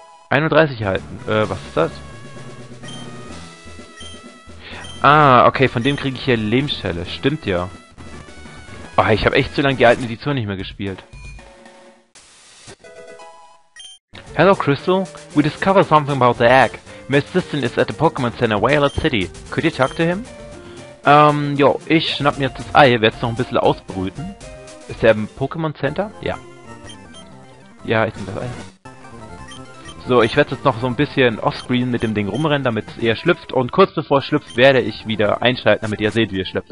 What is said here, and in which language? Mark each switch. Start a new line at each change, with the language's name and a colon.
German: 31 halten. Was ist das? Ah, okay, von dem kriege ich hier Lebensschelle. Stimmt ja. Oh, ich habe echt zu lange die alten Editionen nicht mehr gespielt.
English: Hello, Crystal. We discovered something about the egg. My assistant is at the Pokémon Center, Violet City. Could you talk to him?
German: Jo, ich schnapp mir jetzt das Ei, werd's noch ein bisschen ausbrüten. Ist der im Pokémon Center? Ja. Ja, ich nehm das Ei. So, ich werd's jetzt noch so ein bisschen offscreen mit dem Ding rumrennen, damit es eher schlüpft. Und kurz bevor es schlüpft, werde ich wieder einschalten, damit ihr seht, wie es schlüpft.